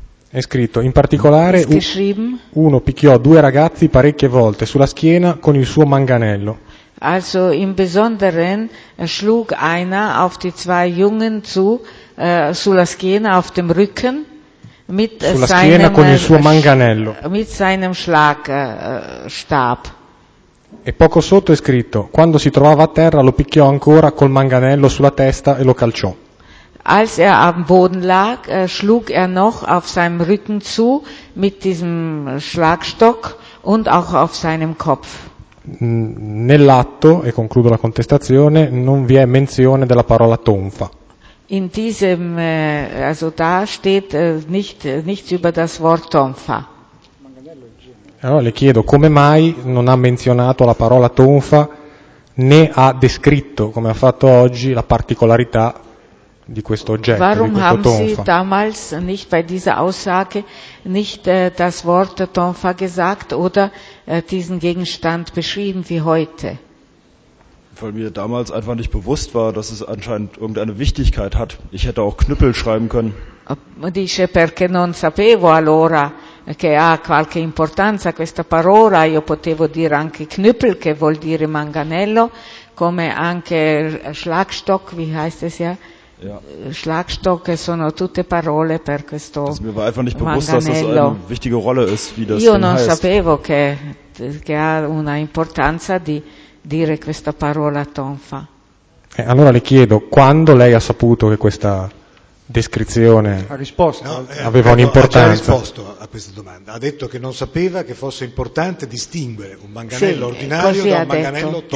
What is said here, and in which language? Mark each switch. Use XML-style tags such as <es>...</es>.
<it>È scritto, in particolare uno picchiò due ragazzi parecchie volte sulla schiena con il suo manganello.</it> <de>Also im Besonderen schlug einer auf die zwei Jungen zu,</de> <it>sulla schiena,</it> <de>auf dem Rücken, mit</de> <it>sulla schiena</it> <de>seinem,</de> <it>con il suo manganello.</it> <de>Mit seinem Schlag, Stab.</de> <it>E poco sotto è scritto, quando si trovava a terra lo picchiò ancora col manganello sulla testa e lo calciò.</it> <de>Als er am Boden lag, schlug er noch auf seinem Rücken zu, mit diesem Schlagstock und auch auf seinem Kopf.</de> <it>Nell'atto, e concludo la contestazione, non vi è menzione della parola tonfa.</it> <de>In diesem, also da steht nichts über das Wort tonfa.</de> <it>Allora le chiedo, come mai non ha menzionato la parola tonfa, né ha descritto, come ha fatto oggi, la particolarità di questo oggetto,</it> <de>Warum</de> <it>di questo tonfa?</it> <de>Warum haben Sie damals nicht bei dieser Aussage nicht das Wort tonfa gesagt oder diesen Gegenstand beschrieben wie heute? Weil mir damals einfach nicht bewusst war, dass es anscheinend irgendeine Wichtigkeit hat. Ich hätte auch Knüppel schreiben können.</de> <it>Dice perché non sapevo allora che ha qualche importanza questa parola. Io potevo dire anche Knüppel, che vuol dire manganello, come anche Schlagstock,</it> <de>wie heißt es ja? ja.</de> <it>Schlagstocke sono tutte parole per questo</it> <de>das mir war einfach nicht bewusst, dass das eine wichtige Rolle ist, wie das</de> <it>io non</it> <de>heißt.</de> <it>Sapevo che ha una importanza di dire questa parola tonfa. Allora le chiedo, quando lei ha saputo che questa descrizione aveva un'importanza? Ha già risposto a questa domanda. Ha detto che non sapeva che fosse importante distinguere un manganello ordinario da un manganello tonfa.</it>